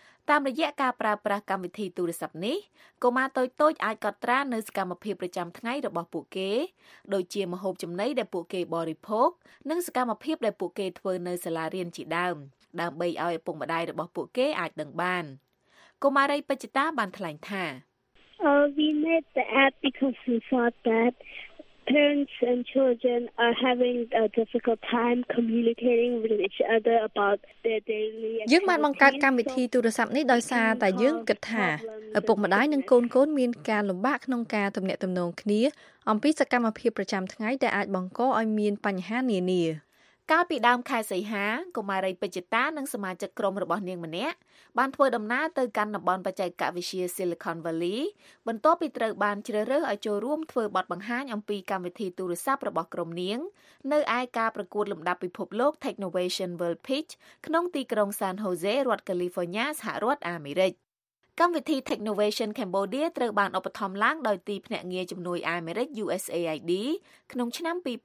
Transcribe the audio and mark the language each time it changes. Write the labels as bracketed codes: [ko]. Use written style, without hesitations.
[km] តាមរយៈការប្រើប្រាស់កម្មវិធីទូរស័ព្ទនេះកុមារតូចៗអាចកត់ត្រានូវសកម្មភាពប្រចាំថ្ងៃរបស់ពួកគេដូចជាម្ហូបចំណីដែលពួកគេបរិភោគនិងសកម្មភាពដែលពួកគេធ្វើនៅសាលារៀនជាដើមដើម្បីឲ្យឪពុកម្ដាយរបស់ពួកគេអាចដឹងបានកុមារីបច្ចតាបានថ្លែងថា [en] We made the app because we thought that parents and children are having a difficult time communicating with each other about their daily activities. [km] យើងបានបង្កើតកម្មវិធីទូរស័ព្ទនេះដោយសារតែយើងគិតថាឪពុកម្ដាយនិងកូនៗមានការលំបាកក្នុងការទំនាក់ទំនងគ្នាអំពីសកម្មភាពប្រចាំថ្ងៃដែលអាចបង្កឲ្យមានបញ្ហានានា កាលពីដើមខែសីហាកុមារីបច្ចតានិងសមាជិកក្រុមរបស់នាងម្នាក់បានធ្វើដំណើរទៅកាន់តំបន់បច្ចេកវិទ្យា Silicon Valley បន្ទាប់ពីត្រូវបានជ្រើសរើសឲ្យចូលរួមធ្វើបទបង្ហាញអំពីកម្មវិធីទូរស័ព្ទរបស់ក្រុមនាងនៅឯការប្រកួតលំដាប់ពិភពលោក Technovation World Pitch ក្នុងទីក្រុង San Jose រដ្ឋ California សហរដ្ឋអាមេរិកកម្មវិធី Technovation Cambodia ត្រូវបានឧបត្ថម្ភឡើងដោយទីភ្នាក់ងារជំនួយអាមេរិក USAID ក្នុងឆ្នាំ2014